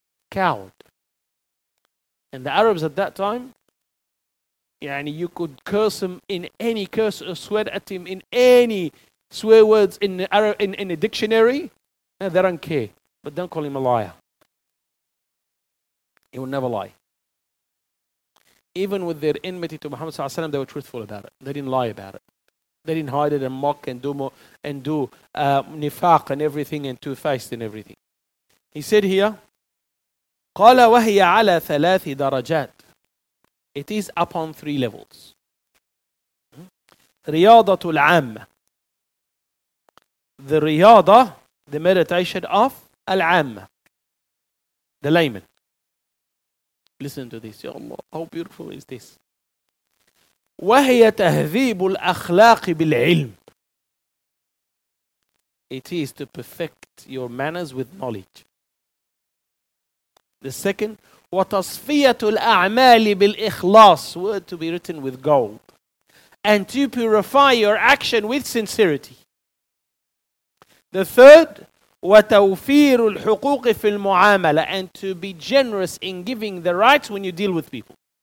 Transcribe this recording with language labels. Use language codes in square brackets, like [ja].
[en] Coward. And the Arabs at that time, yani you could curse them in any curse or swear at him in any swear words in the Arab, in a dictionary, no, they don't care. But don't call him a liar. He will never lie. Even with their enmity to Muhammad sallallahu alaihi wasallam, they were truthful about it. They didn't lie about it. They didn't hide it and mock and do nifaq and everything and two-faced and everything. [ar] He said here, قَالَ وَهِيَ عَلَى ثَلَاثِ دَرَجَاتِ. [en] It is upon three levels. [ar] رِيَاضَةُ الْعَامَّةِ. [en] The riyada, the meditation of al-amma, the layman. Listen to this. Ya Allah, how beautiful is this? [ar] وهي تهذيب الأخلاق بالعلم. [en] It is to perfect your manners with knowledge. The second, [ar] وتصفية الأعمال بالإخلاص, [en] word to be written with gold. And to purify your action with sincerity. The third, [ar] وتوفير الحقوق في المعاملة, [en] and to be generous in giving the rights when you deal with people.